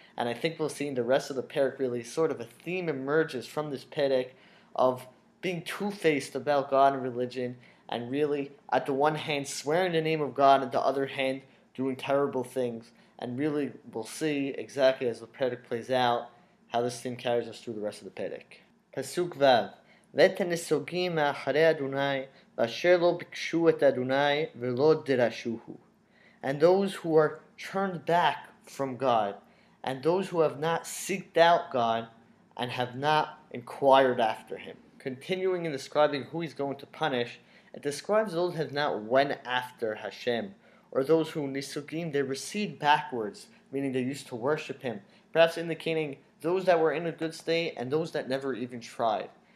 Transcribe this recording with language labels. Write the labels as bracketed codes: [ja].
[en] And I think we'll see in the rest of the perek really sort of a theme emerges from this perek of being two-faced about God and religion, and really, at the one hand, swearing the name of God, at the other hand, doing terrible things. And really, we'll see exactly as the perek plays out how this theme carries us through the rest of the perek. Pasuk Vav. [he] ותנסוגים מאחרי אדוני, ואשר לא ביקשו את אדוני ולא דרשוהו. [en] And those who are turned back from God, and those who have not seeked out God and have not inquired after him. Continuing in describing who he's going to punish, it describes those who have not went after Hashem, or those who nisugim, they recede backwards, meaning they used to worship him, perhaps indicating those that were in a good state and those that never even tried.